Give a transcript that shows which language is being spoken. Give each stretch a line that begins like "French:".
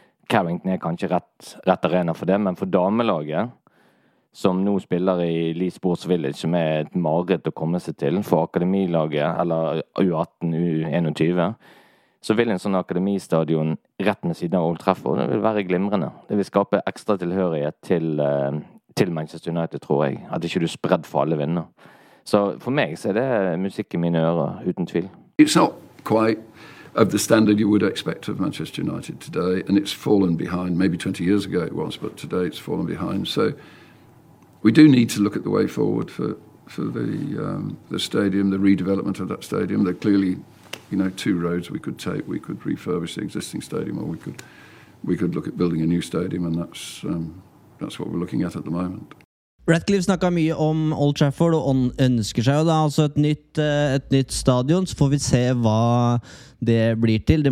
Norwegian: Carrington er kanskje rett arena for det, men for damelaget, som nå spiller i Lee Sports Village, som er et mareritt å komme seg til for akademilaget, eller U18, U21, så vil en sånn akademistadion rett med siden av Old Trafford, det vil være glimrende. Det vil skape ekstra tilhørighet til Manchester United, tror jeg. At ikke du spredd for alle vinner. Så for meg så er det musikk i mine ører, uten tvil.
English: It's not quite of the standard you would expect of Manchester United today, and it's fallen behind. Maybe 20 years ago it was, but today it's fallen behind. So we do need to look at the way forward for the stadium, the redevelopment of that stadium. There are clearly, you know, two roads we could take. We could refurbish the existing stadium, or we could look at building a new stadium, and that's what we're looking at the moment.
Norwegian: Ratcliffe snakker mye om Old Trafford, og han ønsker seg jo da altså et nytt stadion, så får vi se hva det blir til.